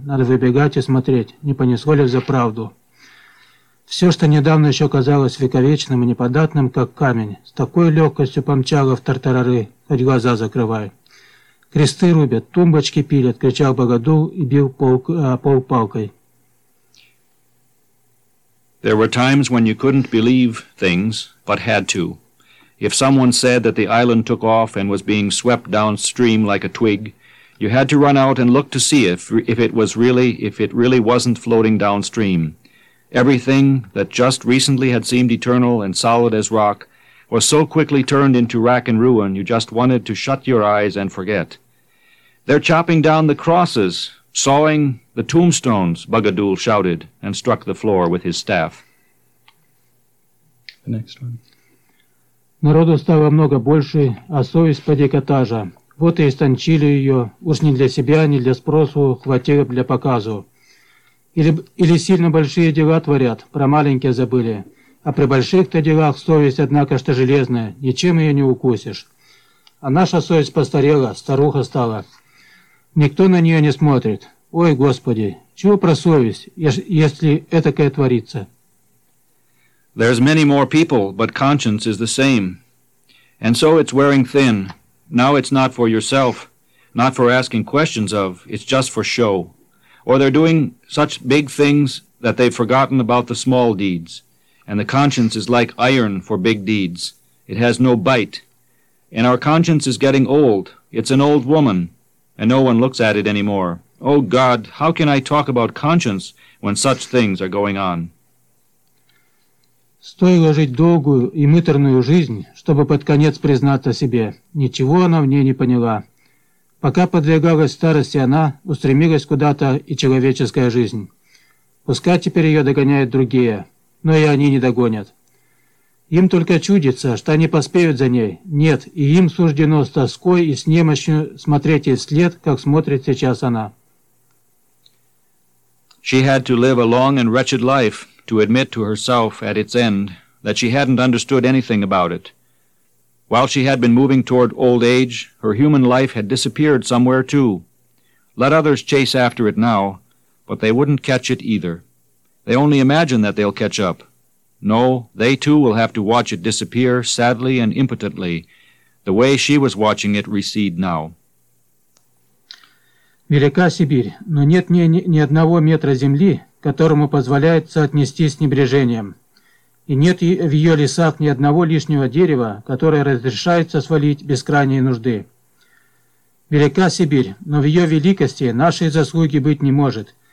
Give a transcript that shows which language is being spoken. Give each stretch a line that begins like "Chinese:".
Russian: Надо выбегать и смотреть, не понесло ли взаправду. Все, что недавно еще казалось вековечным и неподатным, как камень, с такой легкостью помчало в тартарары, хоть глаза закрывай. Кресты рубят, тумбочки пилят, кричал богодул и бил пол палкой.
English: There were times when you couldn't believe things, but had to. If someone said that the island took off and was being swept downstream like a twig, you had to run out and look to see if it really wasn't floating downstream. Everything that just recently had seemed eternal and solid as rock was so quickly turned into rack and ruin you just wanted to shut your eyes and forget. They're chopping down the crosses, sawing the tombstones, Bugadul shouted and struck the floor with his staff. The next one.
Russian: Народу стало много больше, а совесть поди кота же. Вот и истончили ее, уж не для себя, не для спросу, хватило для показу. Или сильно большие дела творят, про маленькие забыли. А при больших-то делах совесть, однако, что железная, ничем ее не укусишь. А наша совесть постарела, старуха стала. Никто на нее не смотрит. Ой, Господи, чего про совесть, если этакое творится?
English: There's many more people, but conscience is the same. And so it's wearing thin. Now it's not for yourself, not for asking questions of, it's just for show. Or they're doing such big things that they've forgotten about the small deeds. And the conscience is like iron for big deeds. It has no bite. And our conscience is getting old. It's an old woman, and no one looks at it anymore. Oh God, how can I talk about conscience when such things are going on?
Russian: Стоило жить долгую и муторную жизнь, чтобы под конец признаться себе, ничего она в ней не поняла. Пока подвигалась старости она, устремилась куда-то и человеческая жизнь. Пускай теперь ее догоняют другие, но и они не догонят. Им только чудится, что они поспеют за ней. Нет, и им суждено с тоской и с немощью смотреть ей вслед, как смотрит сейчас она.
English: She had to live a long and wretched life. To admit to herself at its end that she hadn't understood anything about it. While she had been moving toward old age, her human life had disappeared somewhere too. Let others chase after it now, but they wouldn't catch it either. They only imagine that they'll catch up. No, they too will have to watch it disappear sadly and impotently, the way she was watching it recede now.
Russian: Велика Сибирь, но нет ни одного метра земли, которому позволяется отнестись с небрежением. И нет в ее лесах ни одного лишнего дерева, которое разрешается свалить без крайней нужды. Велика Сибирь, но в ее великости нашей заслуги быть не может.